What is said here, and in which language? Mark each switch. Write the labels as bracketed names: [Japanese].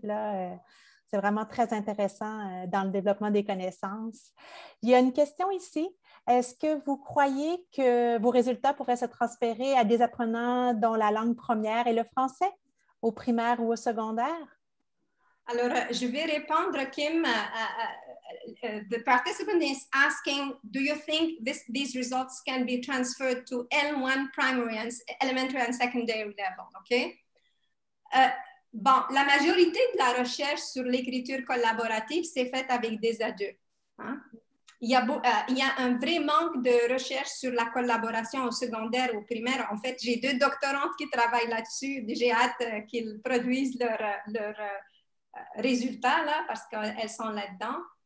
[French] Là, c'est vraiment très intéressant dans le développement des connaissances. Il y a une question ici. Est-ce que vous croyez que vos résultats pourraient se transférer à des apprenants dont la langue première est le français, au primaire ou au secondaire? Alors, je vais répondre, Kim. [English] The participant is asking, do you think these results can be transferred to L1 primary and elementary and secondary level? Okay? [French] Bon, la majorité de la recherche sur l'écriture collaborative s'est faite avec des adultes. Il y a un vrai manque de recherche sur la collaboration au secondaire ou au primaire. En fait, j'ai 2 doctorantes qui travaillent là-dessus. J'ai hâte qu'ils produisent leurs résultats là, parce qu'elles sont là-dedans.